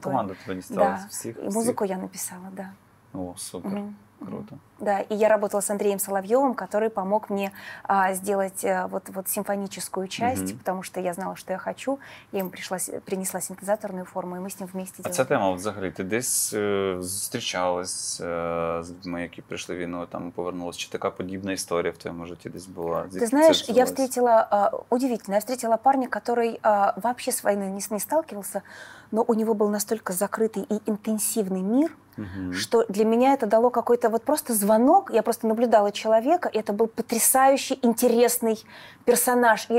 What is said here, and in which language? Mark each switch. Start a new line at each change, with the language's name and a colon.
Russian: крутой. Классная команда тебя не стала. Да, всех, всех. Музыку я написала, да. О, супер. Mm-hmm. Круто. Да, и я работала с Андреем Соловьевым, который помог мне сделать вот симфоническую часть, потому что я знала, что я хочу. Я ему принесла синтезаторную форму, и мы с ним вместе делали.
Ukrainian: А ця тема взагалі, ти десь зустрічалась з людьми, які прийшли війною, там повернулась? Чи така подібна історія в твоєму житті десь була? Ти знаєш,
Russian: я встретила, удивительно, я встретила парня, который вообще с войной не сталкивался, но у него был настолько закрытый и интенсивный мир, что для меня это дало какой-то вот просто звонок. Я просто наблюдала человека, и это был потрясающий, интересный персонаж.